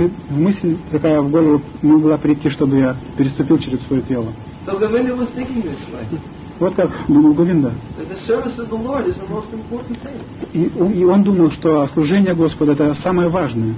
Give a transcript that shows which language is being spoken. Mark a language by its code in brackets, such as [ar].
[ru] Мысль такая в голову могла прийти, чтобы я переступил через свое тело. [en] So Govinda was thinking this way. [ru] Вот как думал Говинда. [en] The service of the Lord is the most important thing. [ru] И он думал, что служение Господа это самое важное.